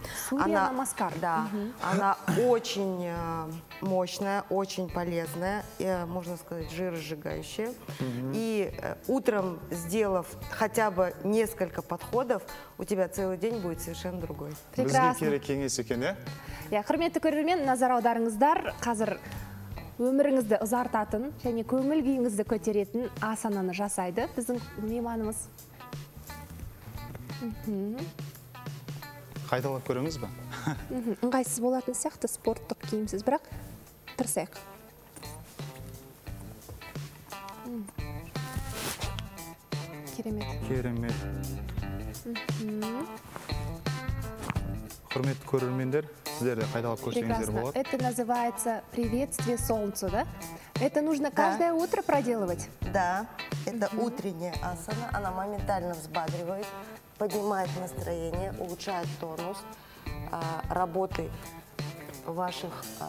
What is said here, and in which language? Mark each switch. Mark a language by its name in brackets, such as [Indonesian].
[Russian] Сурья Намаскар. Да, она очень мощная, очень полезная, и, можно сказать, жиросжигающая. И утром, сделав хотя бы несколько подходов, у тебя целый день будет совершенно другой. Прекрасно. [Kazakh] Я құрметті көрермен, назар аударыңыздар. Қазір өміріңізді ұзартатын және көңіл күйіңізді көтеретін асананы жасайды біздің мейманымыз. Қайталап көреміз бе? Ыңғайсыз болатын сияқты, спорттық киімсіз, бірақ тырысайық. Керемет. Керемет. Құрметті көрермендер, сіздерді қайталап көрсеңіздер болады. [Russian] Это называется приветствие солнцу, да? Это нужно каждое утро проделывать? Да, это утренняя асана, она моментально взбадривает, поднимает настроение, улучшает тонус работы ваших